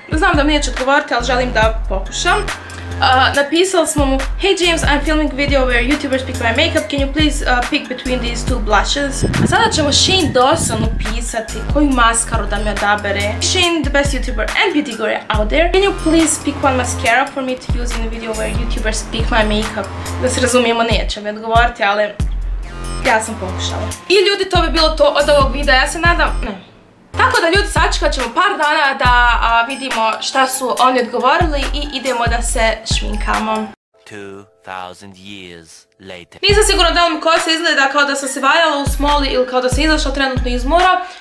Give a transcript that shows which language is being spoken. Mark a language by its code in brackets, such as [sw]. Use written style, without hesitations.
[bs] Znam da mi neće odgovoriti, ali želim da pokušam. Napisali smo mu: [en] Hey James, I'm filming video where youtubers pick my makeup, can you please pick between these two blushes? [bs] A sada ćemo Shane Dawsonu pisati koju maskaru da mi odabere. [en] Shane, the best youtuber and beauty guru out there, can you please pick one mascara for me to use in a video where youtubers pick my makeup? [bs] Da se razumijemo, neće mi odgovoriti, ali ja sam pokušala. I ljudi, to bi bilo to od ovog videa, ja se nadam, ne. Tako da ljudi, sačekat ćemo par dana da vidimo šta su oni odgovorili i idemo da se šminkamo. [en] 2000 years later. [bs] Nisam sigurna da vam kosa izgleda kao da sam se valjala u smoli ili kao da sam izašla trenutno iz mora.